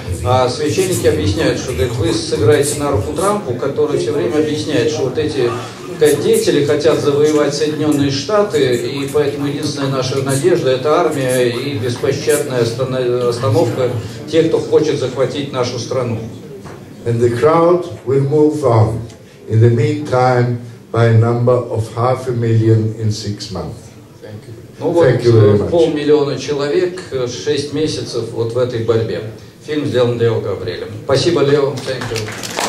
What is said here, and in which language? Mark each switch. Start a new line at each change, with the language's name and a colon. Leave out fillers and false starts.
Russian: А священники объясняют, что говорит, вы сыграете на руку Трампу, который все время объясняет, что вот эти деятели хотят завоевать Соединенные Штаты, и поэтому единственная наша надежда – это армия и беспощадная остановка тех, кто хочет захватить нашу страну.
English: And the crowd will move on. In the meantime, by a number of 500,000 in 6 months. Thank you. Thank you very much.
Russian: Полмиллиона человек, 6 месяцев вот в этой борьбе. Фильм сделан Лео Габриэлем. Спасибо, Лео.
English: Thank you.